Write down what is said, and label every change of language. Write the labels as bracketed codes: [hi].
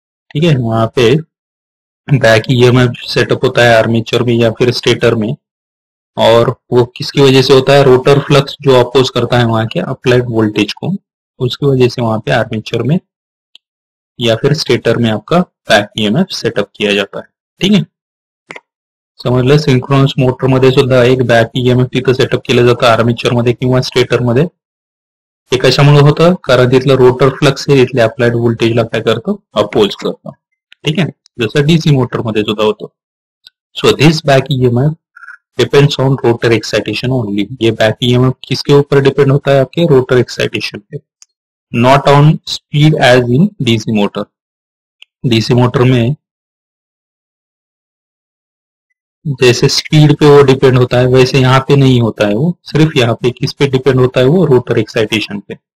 [hi] ठीक है, वहां पे बैक ईएमएफ सेटअप होता है आर्मेचर में या फिर स्टेटर में, और वो किसकी वजह से होता है, रोटर फ्लक्स जो अपोज करता है वहां के अप्लाइड वोल्टेज को, उसकी वजह से वहां पे आर्मेचर में या फिर स्टेटर में आपका बैक ईएमएफ सेटअप किया जाता है, ठीक है, समझ लो। [mr] सिंक्रोनस मोटर मध्ये सुद्धा एक बैक ईएमएफ तिथे सेटअप केलं जातं आर्मेचर मध्ये किंवा स्टेटर मध्ये, हे कशामुळे होतं, कारण तिथलं रोटर फ्लक्स हे इथल्या अप्लाइड वोल्टेजला काय करतो, अपोज करतो, ठीक है, जस डीसी मोटर मध्ये सुद्धा होतो। [en] so this back EMF depends on rotor excitation only, [hi] ये बैक ईएमएफ किसके ऊपर डिपेंड होता है आपके, रोटर एक्साइटेशन पे, [en] Not on speed as in DC motor. [hi] DC motor में जैसे स्पीड पे वो डिपेंड होता है वैसे यहाँ पे नहीं होता है, वो सिर्फ यहाँ पे किस पे डिपेंड होता है, वो रोटर एक्साइटेशन पे।